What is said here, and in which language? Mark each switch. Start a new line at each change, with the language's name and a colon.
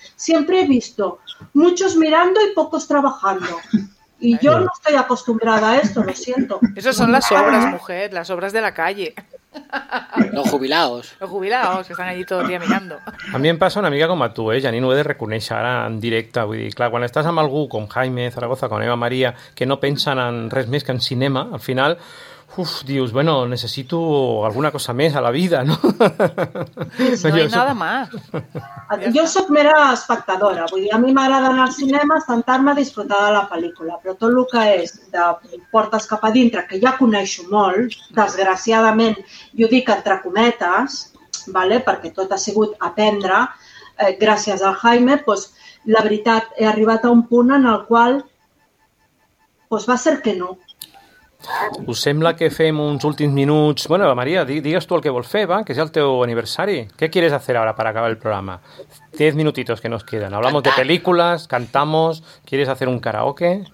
Spanish: Siempre he visto muchos mirando y pocos trabajando. Y yo no estoy acostumbrada a esto, lo siento. Esas son las obras, mujer, las obras de la calle. Los jubilados. Los jubilados, que están allí todo el día mirando. A mí me pasa una amiga como tú, Janine,
Catalan: no he de reconèixer ara en directe. Vull dir, clar, quan estàs amb algú com Jaime Zaragoza, com Eva Maria, que no pensen en res més que en cinema, al final, uf, dius, bueno, necessito alguna cosa més a la vida, no?
Spanish: No hi ha nada más.
Catalan: Jo soc mera espectadora, vull dir, a mi m'agrada anar al cinema, sentar-me a disfrutar de la pel·lícula, però tot el que és de portes cap a dintre, que ja coneixo molt, desgraciadament, jo dic entre cometes, ¿vale? Perquè tot ha sigut aprendre, gràcies al Jaime, pues, la veritat, he arribat a un punt en el qual pues, va ser que no. Us sembla que fem uns últims minuts? Bueno, Maria, digues tu el que vols fer, va, que és el teu aniversari.
Spanish: Què quieres hacer ahora para acabar el programa? 10 minutitos que nos quedan. Hablamos cantar. De películas, cantamos, ¿quieres hacer un karaoke?